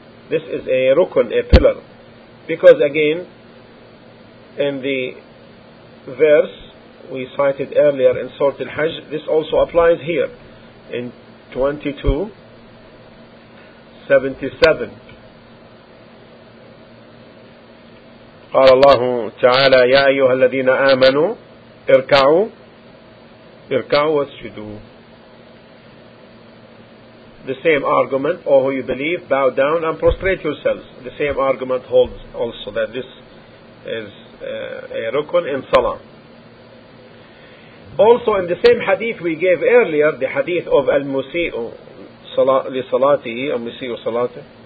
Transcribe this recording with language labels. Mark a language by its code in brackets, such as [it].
[en] This is a rukun, a pillar, because again, in the verse we cited earlier in Surah Al-Hajj, this also applies here in 22:77. [ar] قال الله تعالى يا أيها الذين آمنوا اركعوا واسجدوا. [en] The same argument, or who you believe, bow down and prostrate yourselves. The same argument holds also that this is a rukun in salah. Also in the same hadith we gave earlier, the hadith of al-musi'u li salatihi, al-musi'u salatu,